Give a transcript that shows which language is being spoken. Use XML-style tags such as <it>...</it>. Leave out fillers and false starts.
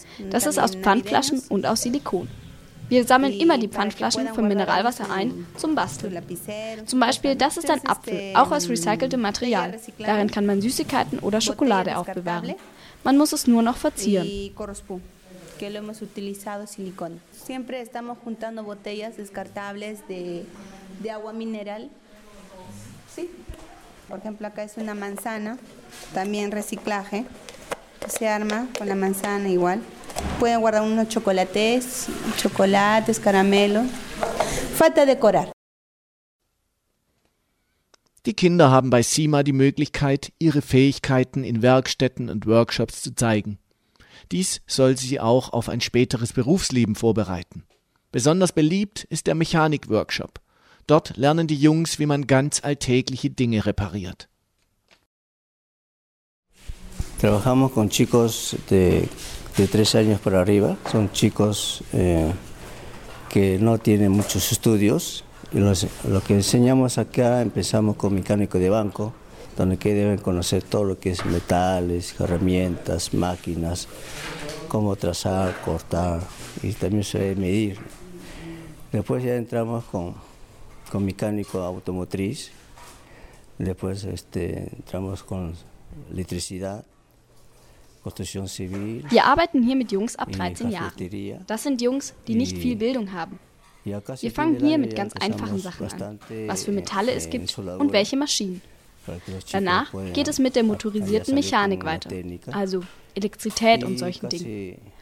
<de>Das ist aus Pfandflaschen und aus Silikon. Wir sammeln immer die Pfandflaschen vom Mineralwasser ein zum Basteln. Zum Beispiel, das ist ein Apfel, auch aus recyceltem Material. Darin kann man Süßigkeiten oder Schokolade aufbewahren. Man muss es nur noch verzieren.</de> <es>Que lo hemos utilizado silicón. Siempre estamos juntando botellas descartables de agua mineral. Sí. Por ejemplo, acá es una manzana, también reciclaje. Se arma con la manzana igual. Pueden guardar unos chocolates, caramelo. Falta decorar.</es> <de>Die Kinder haben bei Sima die Möglichkeit, ihre Fähigkeiten in Werkstätten und Workshops zu zeigen. Dies soll sie auch auf ein späteres Berufsleben vorbereiten. Besonders beliebt ist der Mechanik-Workshop. Dort lernen die Jungs, wie man ganz alltägliche Dinge repariert.</de> <es>Trabajamos con chicos de 3 años para arriba. Son chicos que no tienen muchos estudios. Y lo que enseñamos acá, empezamos con mecánico de banco. Donde que deben conocer todo lo que es metales, herramientas, máquinas, cómo trazar, cortar y también se debe medir. Después ya entramos con mecánico automotriz, después entramos con electricidad, construcción civil.</es> <de>Wir arbeiten hier mit Jungs ab 13 Jahren. Das sind Jungs, die nicht viel Bildung haben. Wir fangen hier mit ganz einfachen Sachen an, was für Metalle es gibt und welche Maschinen. Danach geht es mit der motorisierten Mechanik weiter, also Elektrizität und solchen Dingen.</de>